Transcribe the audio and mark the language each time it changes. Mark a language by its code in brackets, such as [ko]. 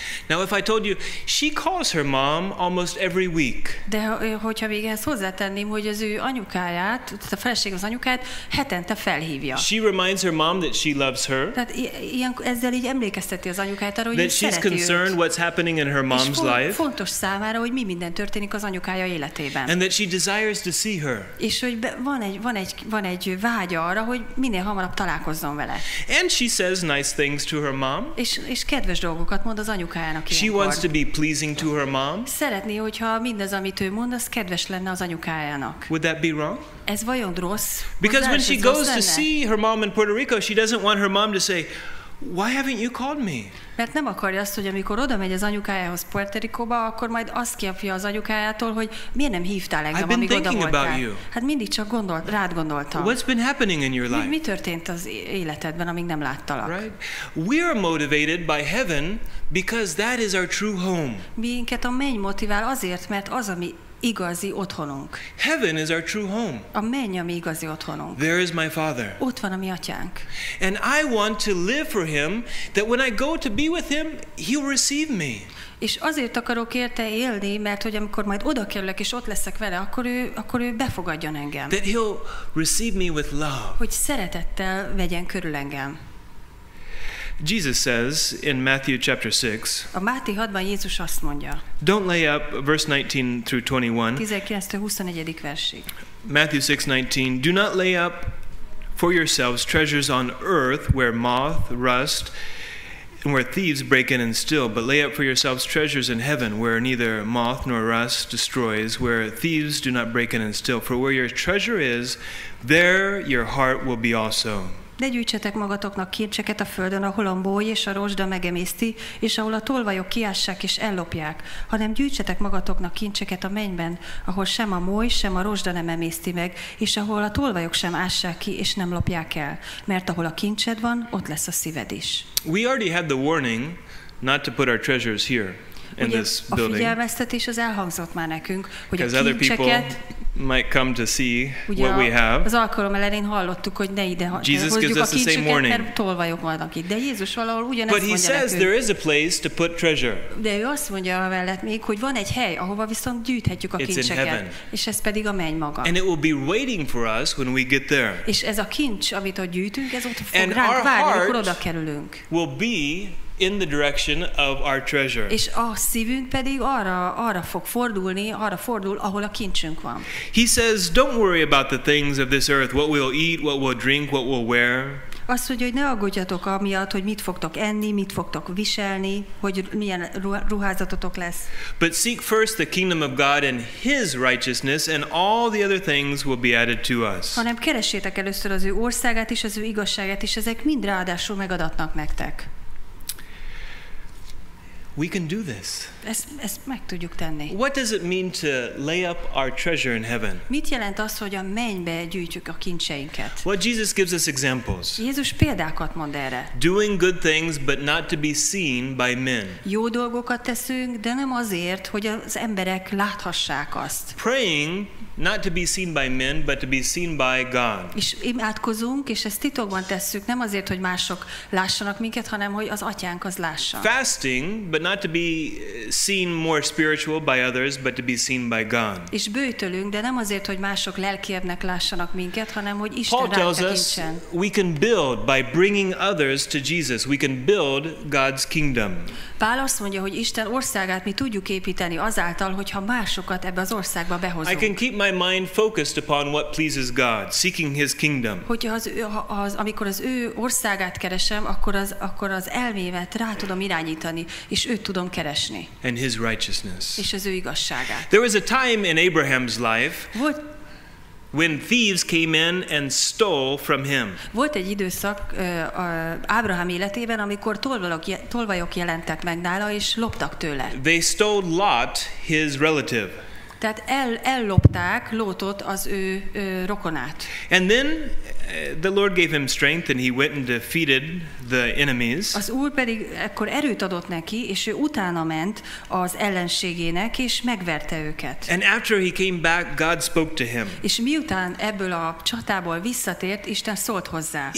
[en] Now if I told you she calls her mom almost every week. [hu] De hogyha még ezt hozzátenném, hogy az ő anyukáját, tehát a feleség az anyukáját hetente felhívja. [en] She reminds her mom that she loves her. [hu] Tehát ezzel így emlékezteti az anyukáját arra, hogy [en] that [hu] ő szereti. [en] She's that's concerned [hu] őt. [en] What's happening in her mom's life. [hu] Fontos számára, hogy mi minden történik az anyukája életében. [en] And that she desires to see her. [hu] És hogy van egy vágya arra, hogy minél hamarabb találkozzon vele. [en] And she says nice things to her mom. [hu] És kedves dolgokat mond az anyukájának ilyenkor. [en] She wants to be pleasing to her mom. [hu] Szeretné, hogyha mindaz, amit ő mond, az kedves lenne az anyukájának. [en] Would that be wrong? [hu] Ez vajon rossz? [en] Because when she goes to see her mom in Puerto Rico, she doesn't want her mom to say, "Why haven't you called me?" [hu] Mert nem akarja azt, hogy amikor oda megy az anyukájához Puerto Ricóba, akkor majd azt kiapja az anyukájától, hogy miért nem hívtál engem, amíg oda voltál. Hát mindig csak rád gondoltam. [en] What's been happening in your life? [hu] Mi történt az életedben, amíg nem láttalak? [en] Right? We are motivated by heaven because that is our true home. [hu] Minket a menny motivál azért, mert az, ami igazi otthonunk. [en] Heaven is our true home. [hu] A menny a mi igazi otthonunk. [en] There is my father. [hu] Ott van a mi atyánk. [en] And I want to live for him, that when I go to be with him, he will receive me. [hu] És azért akarok érte élni, mert hogy amikor majd oda kerülök és ott leszek vele, akkor ő befogadjon engem. [en] That he'll receive me with love. [hu] Hogy szeretettel vegyen körül engem. [en] Jesus says in Matthew chapter 6. [hu] A Máté 6-ban Jézus azt mondja. [en] Don't lay up verse 19 through 21. [hu] 19-től 21-edik versig. [en] Matthew 6:19. Do not lay up for yourselves treasures on earth where moth rust and where thieves break in and steal, but lay up for yourselves treasures in heaven where neither moth nor rust destroys, where thieves do not break in and steal. For where your treasure is, there your heart will be also. [hu] Ne gyűjtsetek magatoknak kincseket a földön, ahol a bój és a rozsda megemészti, és ahol a tolvajok kiássák és ellopják, hanem gyűjtsetek magatoknak kincseket a mennyben, ahol sem a bój, sem a rozsda nem emészti meg, és ahol a tolvajok sem ássák ki és nem lopják el, mert ahol a kincsed van, ott lesz a szíved is. [en] We already had the warning not to put our treasures here. [hu] Ugye a figyelmeztetés az elhangzott már nekünk, hogy a kincseket [en] might come to see what we have. [hu] Az alkalom elején hallottuk, hogy ne ide hozzuk a kincseket, mert tolvajok vannak itt. De Jézus valahol ugyanezt mondja nekünk. [en] But he says there is a place to put treasure. [hu] De ő azt mondja mellett még, hogy van egy hely, ahova viszont gyűjthetjük a kincseket. És ez pedig a menny maga. [en] And it will be waiting for us when we get there. [hu] És ez a kincs, amit ott gyűjtünk, ez ott fog ránk várni, amikor oda kerülünk. [en] Will be in the direction of our treasure. [hu] És a szívünk pedig arra fog fordulni, arra fordul, ahol a kincsünk van. [en] He says, don't worry about the things of this earth, what we'll eat, what we'll drink, what we'll wear. [hu] Azt mondja, hogy ne aggódjatok amiatt, hogy mit fogtok enni, mit fogtok viselni, hogy milyen ruházatotok lesz. [en] But seek first the kingdom of God and his righteousness, and all the other things will be added to us. [hu] Hanem keressétek először az ő országát és az ő igazságát, és ezek mind ráadásul megadatnak nektek. [en] We can do this. [hu] Ezt meg tudjuk tenni. [en] What does it mean to lay up our treasure in heaven? [hu] Mit jelent az, hogy a mennybe gyűjtjük a kincseinket? [en] Well, Jesus gives us examples. [hu] Jézus példákat mond erre. [en] Doing good things, but not to be seen by men. [hu] Jó dolgokat teszünk, de nem azért, hogy az emberek láthassák azt. [en] Praying, not to be seen by men, but to be seen by God. [hu] És imádkozunk, és ezt titokban tesszük, nem azért, hogy mások lássanak minket, hanem hogy az atyánk az lássa. [en] Fasting, but not to be seen more spiritual by others, but to be seen by God. [hu] És bőtölünk, de nem azért, hogy mások lelkiebbnek lássanak minket, hanem hogy Isten ránk tekintsen. [en] Paul tells us, we can build by bringing others to Jesus. We can build God's kingdom. [hu] Pál azt mondja, hogy Isten országát mi tudjuk építeni azáltal, hogyha másokat ebbe az országba behozunk. [en] I can keep my mind focused upon what pleases God, seeking his kingdom. [hu] Hogyha az amikor az ő országát keresem, akkor az elmémet rá tudom irányítani, és őt tudom keresni. [en] And his righteousness. [hu] És az ő igazságát. [en] There was a time in Abraham's life when thieves came in and stole from him. [hu] Volt egy időszak Ábrahám életében, amikor tolvajok jelentek meg nála, és loptak tőle. [en] They stole Lot, his relative. [hu] Tehát ellopták Lótot, az ő rokonát. [en] And then the Lord gave him strength and he went and defeated the enemies. [hu] Az Úr pedig ekkor erőt adott neki, és ő utána ment az ellenségének, és megverte őket. [en] And after he came back, God spoke to him. [hu] És miután ebből a csatából visszatért, Isten szólt hozzá.